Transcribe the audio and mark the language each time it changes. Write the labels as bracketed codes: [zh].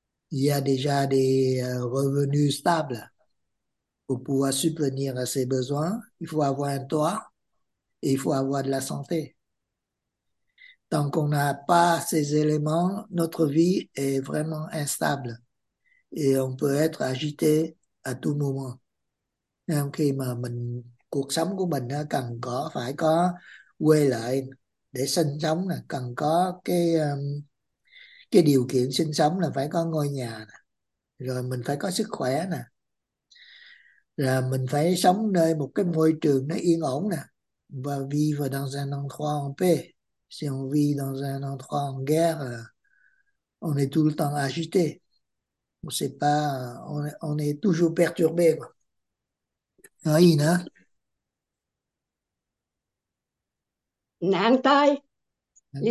[fr] Il y a déjà des revenus stables. Pour pouvoir subvenir à ses besoins, il faut avoir un toit et il faut avoir de la santé. Tant qu'on n'a pas ces éléments, notre vie est vraiment instable et on peut être agité à tout moment. [vi] Et khi mà mình cuộc sống của mình cần có phải có quay lại để sinh sống, cần có cái điều kiện sinh sống là phải có ngôi nhà, rồi mình phải có sức khỏe nè. Là mình phải sống nơi một cái môi trường nó yên ổn nè, và [fr] vivre dans un endroit en paix. Si on vit dans un endroit en guerre, on est tout le temps agité. On sait pas, on est toujours perturbé, quoi. Oui, non? [vi] Nan tai, les